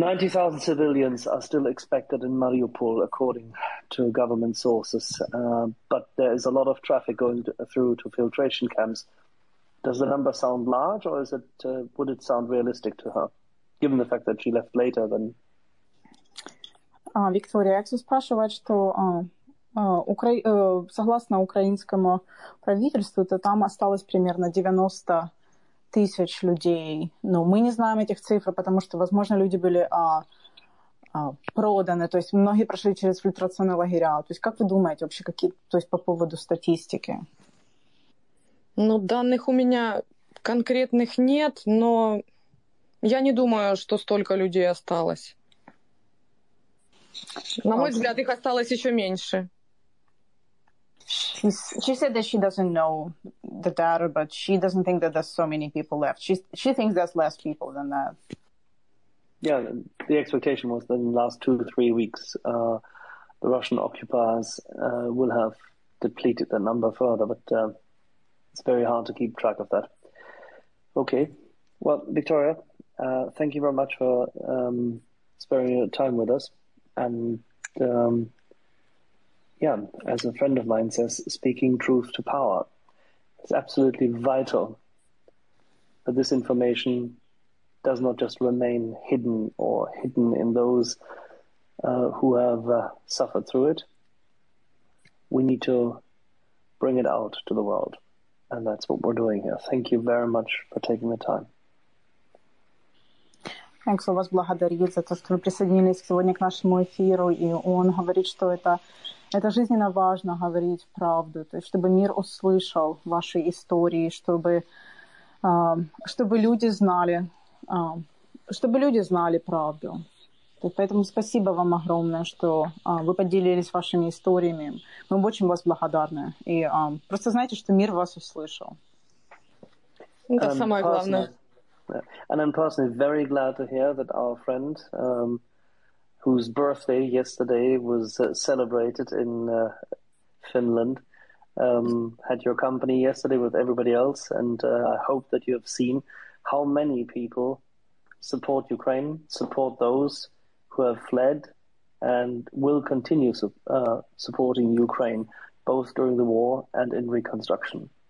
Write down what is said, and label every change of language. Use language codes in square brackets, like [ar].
[en] 90,000 civilians are still expected in Mariupol, according to government sources. But there is a lot of traffic going through to filtration camps. Does the number sound large, or would it sound realistic to her, given the fact that she left later than? [ru] Виктория, Axel спрашивает, что согласно украинскому правительству, то там осталось примерно 90 тысяч людей. Но мы не знаем этих цифр, потому что, возможно, люди были проданы. То есть многие прошли через фильтрационные лагеря. То есть как вы думаете вообще, то есть по поводу статистики? Ну, данных у меня, конкретных нет, но я не думаю, что столько людей осталось. На мой взгляд, их осталось еще меньше. [en] She said that she doesn't know the data, but she doesn't think that there's so many people left. She thinks there's less people than that. Yeah, the expectation was that in the last 2 to 3 weeks, the Russian occupiers will have depleted the number further, but it's very hard to keep track of that. Okay, well, Victoria, thank you very much for sparing your time with us. And yeah, as a friend of mine says, speaking truth to power. It's absolutely vital that this information does not just remain hidden or hidden in those who have suffered through it. We need to bring it out to the world. And that's what we're doing here. Thank you very much for taking the time. [ru] Экс, вас благодарю за то, что вы присоединились сегодня к нашему эфиру, и он говорит, что это жизненно важно говорить правду, то есть чтобы мир услышал ваши истории, чтобы люди знали правду. То есть, поэтому спасибо вам огромное, что вы поделились вашими историями. Мы очень вас благодарны. И просто знайте, что мир вас услышал. Это самое главное. [en] And I'm personally very glad to hear that our friend, whose birthday yesterday was celebrated in Finland, had your company yesterday with everybody else. And I hope that you have seen how many people support Ukraine, support those who have fled, and will continue supporting Ukraine, both during the war and in reconstruction.